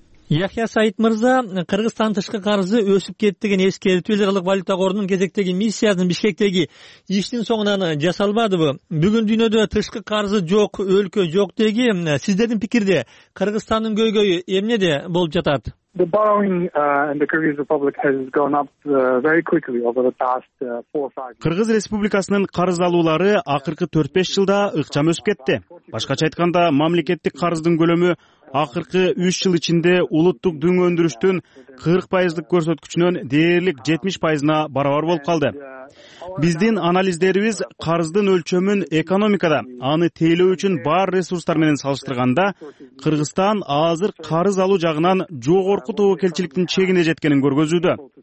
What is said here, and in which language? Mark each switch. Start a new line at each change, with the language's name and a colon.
Kyrgyz: Яхия Саид мырза, Кыргызстан тышкы карызы өсүп кетти деген эскертүү эл аралык валюта корунун кезектеги миссиясынын Бишкектеги иштин соңунан жасалбадыбы? Бүгүн дүйнөдө тышкы карызы жок өлкө жок деги, сиздердин пикирде Кыргызстандын көйгөйү эмнеде болуп жатат?
English: The borrowing in the Kyrgyz Republic has gone up very quickly over the past 4-5.
Kyrgyz: Кыргыз Республикасынын карыз алуулары акыркы 4-5 жылда ыкчам өсүп кетти. Башкача айтканда, мамлекеттик карыздын көлөмү акыркы 3 жыл ичинде улуттук дүң өндүрүштүн 40% көрсөткүчүнөн дээрлик 70%ына барабар болуп калды. Биздин анализдерибиз карыздын өлчөмүн экономикада аны тейлөө үчүн бар ресурстар менен салыштырганда Кыргызстан азыр карыз алуу жагынан жогорку тобокелчиликтин чегине жеткенин көргөзүүдө.